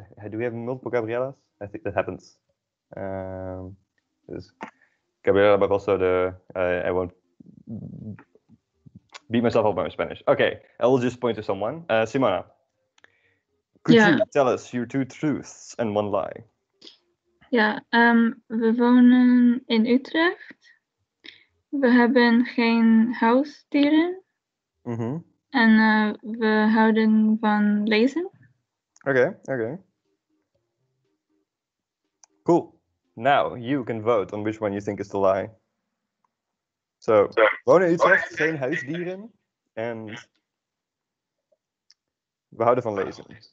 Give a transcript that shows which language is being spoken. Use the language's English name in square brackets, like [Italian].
[English] Do we have multiple Gabrielas? I think that happens. There's Gabriela, but also the, I won't beat myself up by my Spanish. Okay, I will just point to someone. Simona, could you tell us your two truths and one lie? [Dutch] Yeah, we wonen in Utrecht. We hebben geen huisdieren. Mm-hmm. En we houden van lezen. [English] Okay. Cool. Now you can vote on which one you think is the lie. [Dutch] So, wonen in Utrecht, geen huisdieren, en we houden van lezen.